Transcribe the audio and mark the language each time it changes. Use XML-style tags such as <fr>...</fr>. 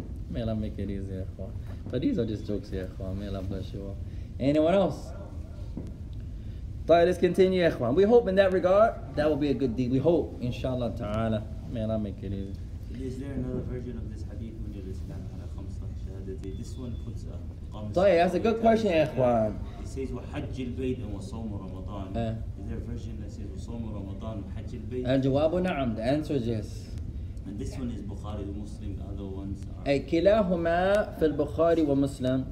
<en>May Allah make it easy, ya ikhwan. But these are just jokes, ya ikhwan. May Allah bless you all. Anyone else? Tayyip, let's continue, ya ikhwan. We hope in that regard, that will be a good deed. We hope, inshallah ta'ala. May Allah make it easy. Is there another version of this hadith when you're listening to Khamsa Shahadati? This one puts a Tayyib, that's a good question, Ikhwan. He says,</en> <ar>وحج البيت وصوم رمضان.</ar> <en>Is there a version that says,</en> <ar>وصوم رمضان وحج البيت?</ar> <en>And</en> <ar>جواب نعم,</ar> <en>the answer is yes. And this one is Bukhari and Muslim, the other ones are...</en> <ar>كلاهما في البخاري ومسلم.</ar>